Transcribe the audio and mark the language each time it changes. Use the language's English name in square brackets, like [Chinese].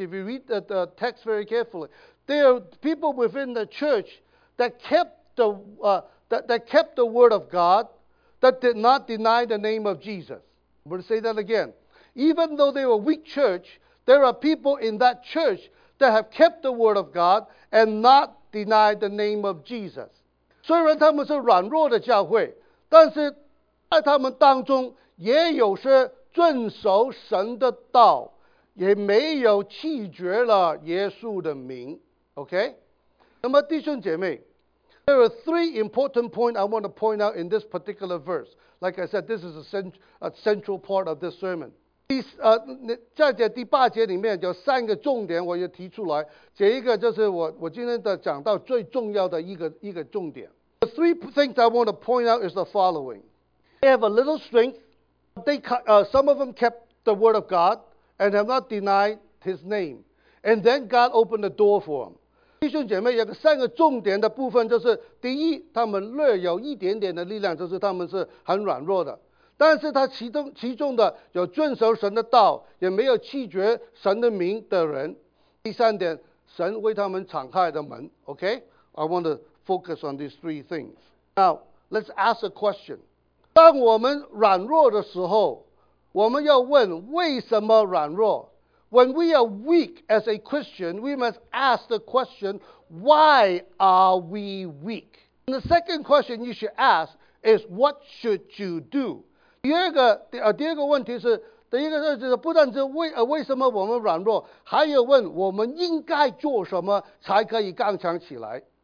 [English] If you read the text very carefully, there are people within the church that kept that kept the word of God, that did not deny the name of Jesus. I'm going to say that again. Even though they were weak church, there are people in that church. That have kept the word of God and not denied the name of Jesus. [Chinese] 虽然他们是软弱的教会，但是在他们当中也有些遵守神的道，也没有弃绝了耶稣的名。 [English] OK? [Chinese] 那么弟兄姐妹， [English] there are three important points I want to point out in this particular verse. Like I said, this is a central part of this sermon. 第 [Chinese] 第八节里面有三个重点，我也提出来。这一个就是我今天的讲到最重要的一个重点。 [English] The three things I want to point out is the following: they have a little strength. Some of them kept the word of God and have not denied His name. And then God opened the door for them. [Chinese] 弟兄姐妹有个三个重点的部分，就是第一，他们略有一点点的力量，就是他们是很软弱的，但是他其中的有遵守神的道，也没有弃绝神的名的人。第三点，神为他们敞开的门。 [English] OK, I want to focus on these three things. Now let's ask a question. [Chinese] 当我们软弱的时候，我们要问为什么软弱。 [English] When we are weak as a Christian, we must ask the question, why are we weak? And the second question you should ask is, what should you do? [Chinese] 第一个问题是不但是 为什么我们软弱，还有问我们应该做什么才可以刚强起来。